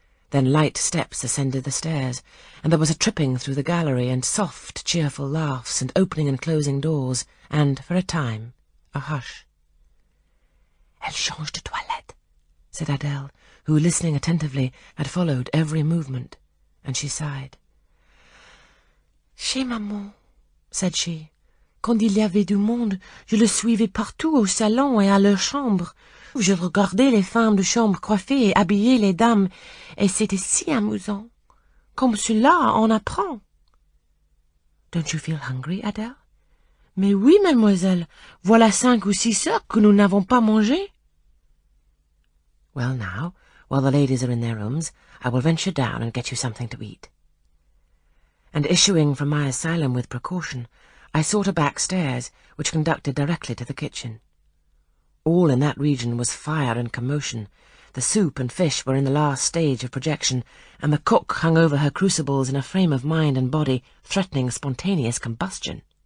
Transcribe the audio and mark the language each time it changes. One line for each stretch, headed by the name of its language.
English: Then light steps ascended the stairs, and there was a tripping through the gallery, and soft, cheerful laughs, and opening and closing doors, and, for a time, a hush.
French: "Elle change de toilette,"
English: said Adele, who, listening attentively, had followed every movement, and she sighed.
French: "Chez maman," said she, "quand il y avait du monde, je le suivais partout au salon et à leur chambre. Je regardais les femmes de chambre coiffées et habillées les dames, et c'était si amusant. Comme cela, on apprend."
English: "Don't you feel hungry, Adele?"
French: "Mais oui, mademoiselle, voilà 5 ou 6 heures que nous n'avons pas mangé."
English: "Well, now, while the ladies are in their rooms, I will venture down and get you something to eat." And issuing from my asylum with precaution, I sought a back stairs, which conducted directly to the kitchen. All in that region was fire and commotion. The soup and fish were in the last stage of projection, and the cook hung over her crucibles in a frame of mind and body threatening spontaneous combustion.